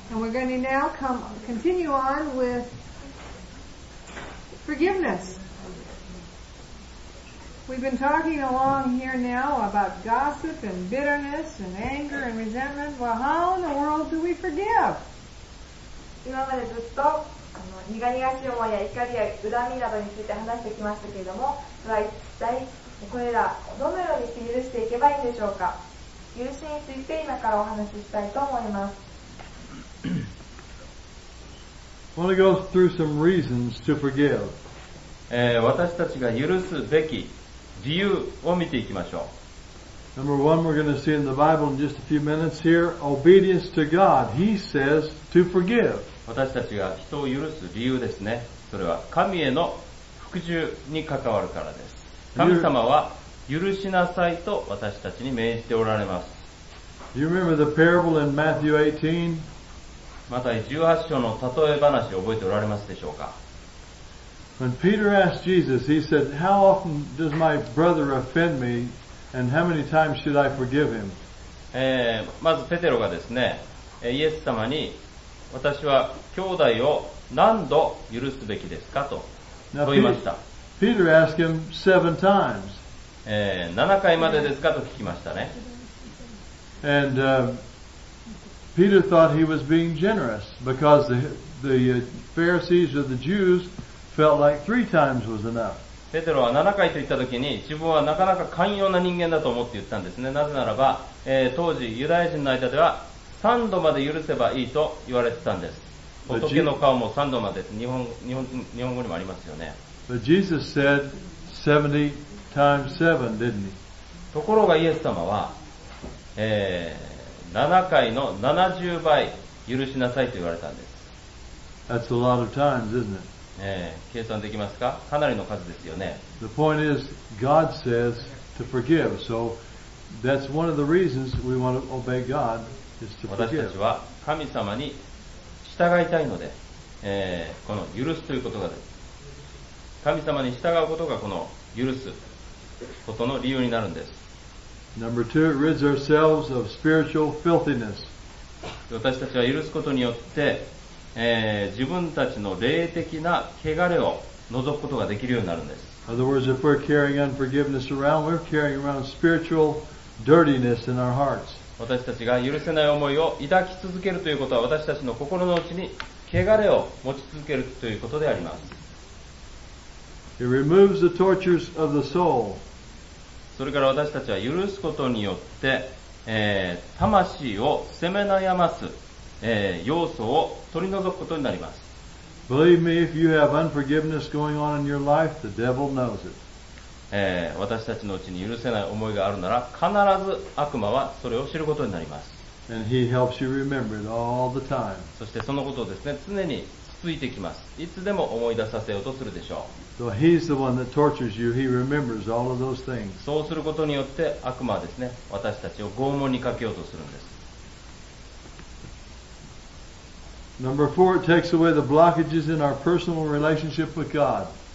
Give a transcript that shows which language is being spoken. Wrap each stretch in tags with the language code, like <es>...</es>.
<en>Continue on with forgiveness. We've been talking along here now about gossip and bitterness and anger and resentment. Well, how in the world do we forgive?</en> <ja>今までずっと苦々しい思いや怒りや恨みなどについて話してきましたけれども、一体これらをどのようにして許していけばいいんでしょうか。許しについて今からお話ししたいと思います。</ja> <en>I want to go through some reasons to forgive.</en> <ja>私たちが許すべき理由を見ていきましょう。</ja> <en>Number one, we're going to see in the Bible in just a few minutes here, obedience to God. He says to forgive.</en> <ja>私たちが人を許す理由ですね。それは神への服従に関わるからです。神様は許しなさいと私たちに命じておられます。</ja> <en>You remember the parable in Matthew 18?</en> <ja>また18章の例え話を覚えておられますでしょうか。</ja> <en>When Peter asked Jesus, he said, How often does my brother offend me, and how many times should I forgive him?</en> <ja>まずペテロがですね、イエス様に、私は兄弟を何度許すべきですかと問いました。</ja> <en>Peter asked him seven times.</en> <ja>7回までですかと聞きましたね。</ja> <en>And,Peter thought he was being generous because the Pharisees or the Jews felt like three times was enough.</en> <ja>ペテロは7回と言った時に自分はなかなか寛容な人間だと思って言ったんですね。なぜならば、当時ユダヤ人の間では3度まで許せばいいと言われてたんです。仏の顔も3度まで、日本語にもありますよね。</ja> <en>But Jesus said 70 times 7, didn't he?</en> <ja>ところがイエス様は、7回の70倍許しなさいと言われたんです。</ja> <en>That's a lot of times, isn't it?</en> <ja>計算できますか？かなりの数ですよね。</ja> <en>The point is, God says to forgive. So that's one of the reasons we want to obey God is to forgive.</en> <ja>私たちは神様に従いたいので、この許すということがです。神様に従うことがこの許すことの理由になるんです。</ja> <en>Number two, it rids ourselves of spiritual filthiness.</en> <ja>私たちは許すことによって、自分たちの霊的な汚れを除くことができるようになるんです。</ja> <en>In other words, if we're carrying unforgiveness around, we're carrying around spiritual dirtiness in our hearts.</en> <ja>私たちが許せない思いを抱き続けるということは、私たちの心の内に汚れを持ち続けるということであります。</ja> <en>It removes the tortures of the soul.</en> <ja>それから私たちは許すことによって、魂を責め悩ます、要素を取り除くことになります。</ja> <en>Believe me, if you have unforgiveness going on in your life, the devil knows it.</en> <ja>私たちのうちに許せない思いがあるなら、必ず悪魔はそれを知ることになります。</ja> <en>And he helps you remember it all the time.</en> <ja>そしてそのことをですね、常に続いてきます。いつでも思い出させようとするでしょう。</ja> <en>So he's the one that tortures you. He remembers all of those things.</en> <ja>そうすることによって悪魔はですね、私たちを拷問にかけようとするんです。</ja> <en>Number four, it takes away the blockages in our personal relationship with God.</en>